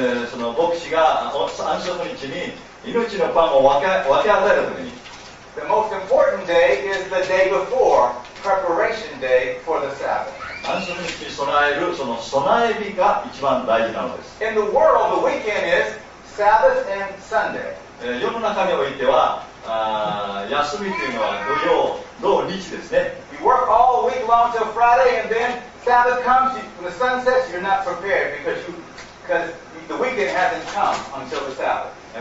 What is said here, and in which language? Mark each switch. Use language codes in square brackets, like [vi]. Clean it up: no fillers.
[ja] その牧師が安息日に命のパンを分け与えるときに。 [en] The most important day is the day before, preparation day for the Sabbath. [ja] 安息日に備える、その備え日が一番大事なのです。 [en] In the world, the weekend is Sabbath and Sunday. [ja] 世の中においては、休みというのは土曜、土日ですね。 [en] You work all week long till Friday, and then Sabbath comes, when the sun sets, you're not prepared because the weekend hasn't come until the Sabbath.